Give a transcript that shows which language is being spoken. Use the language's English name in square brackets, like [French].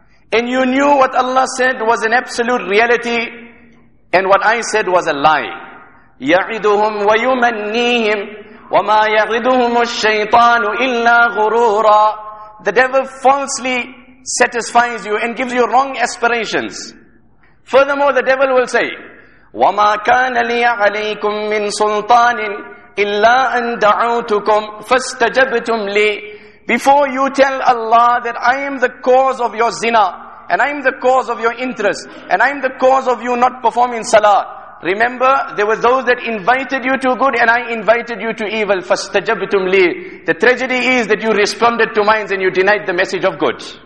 [English] And you knew what Allah said was an absolute reality, and what I said was a lie. [Arabic] يَعِدُهُمْ وَيُمَنِّيهِمْ وَمَا يَعِدُهُمُ الشَّيْطَانُ إِلَّا غُرُورًا [English] The devil falsely satisfies you and gives you wrong aspirations. Furthermore, the devil will say, [Arabic] وَمَا كَانَ لِيَ عَلَيْكُمْ مِنْ سُلْطَانٍ إِلَّا أَنْ دَعُوتُكُمْ فَاسْتَجَبْتُمْ لِي. [English] Before you tell Allah that I am the cause of your zina, and I am the cause of your interest, and I am the cause of you not performing salah, remember, there were those that invited you to good and I invited you to evil. [Arabic] فَاسْتَجَبْتُمْ لِي. [English] The tragedy is that you responded to mine and you denied the message of good.